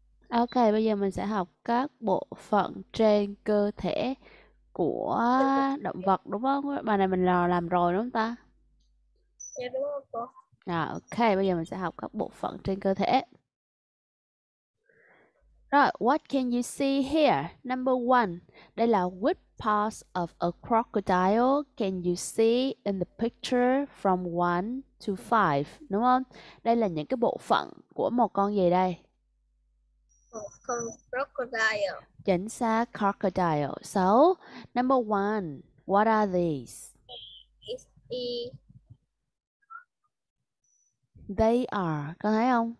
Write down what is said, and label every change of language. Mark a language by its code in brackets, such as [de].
[vi] Ok, bây giờ mình sẽ học các bộ phận trên cơ thể của động vật đúng không? Bài này mình làm rồi đúng không ta? Dạ đúng không cô? Rồi, ok, bây giờ mình sẽ học các bộ phận trên cơ thể. [en] What can you see here? Number one, [vi] đây là [en] which parts of a crocodile can you see in the picture from 1 to 5? [vi] Đúng không? Đây là những cái bộ phận của một con gì đây? Một con crocodile. Chính xác, [en] crocodile. So, number one, what are these? Is They are, [vi] có thấy không?